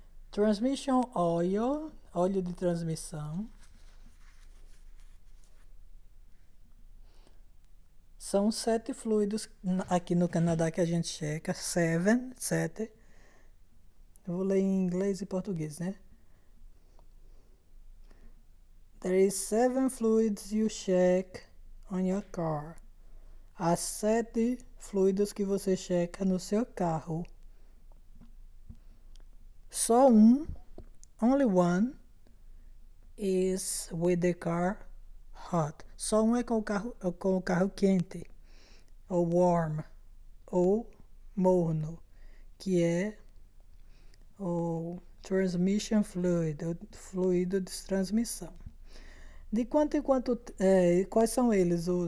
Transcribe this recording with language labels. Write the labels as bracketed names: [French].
[English] Transmission oil, [Portuguese] óleo de transmissão. São sete fluidos aqui no Canadá que a gente checa. Seven, sete. Eu vou ler em inglês e português, né? [English] There is seven fluids you check on your car. [Portuguese] Há sete fluidos que você checa no seu carro. Só um, [English] only one, [Portuguese] is with the car hot. Só um é com o carro quente, ou warm, ou morno, que é o transmission fluid, o fluido de transmissão. De quanto em quanto, quais são eles?